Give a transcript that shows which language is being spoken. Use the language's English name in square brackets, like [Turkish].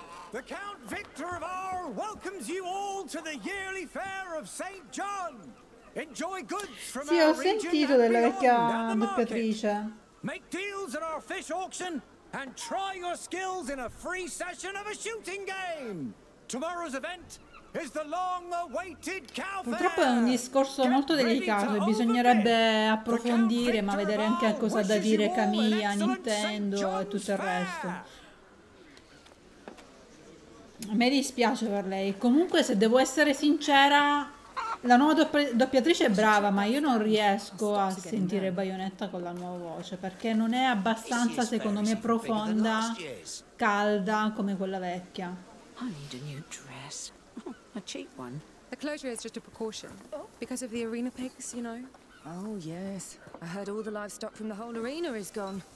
[English] The Count Victor of Arles welcomes you all to the yearly fair of St. John. Enjoy goods from our region. [Italian] Sì, ho sentito della vecchia doppiatrice. [English] Make deals at our fish auction and try your skills in a free session of a shooting game. Tomorrow's event is the long-awaited cow fair. [Italian] Purtroppo è un discorso molto delicato e bisognerebbe approfondire, ma vedere anche a cosa da dire Camilla, Nintendo e tutto il resto. A me dispiace per lei. Comunque, se devo essere sincera, la nuova doppiatrice è brava, ma io non riesco a sentire Bayonetta con la nuova voce, perché non è abbastanza, secondo me, profonda, calda come quella vecchia. [English] The closure is just a precaution because of the arena pigs, you know. Oh yes, I heard all the livestock from the whole arena is gone.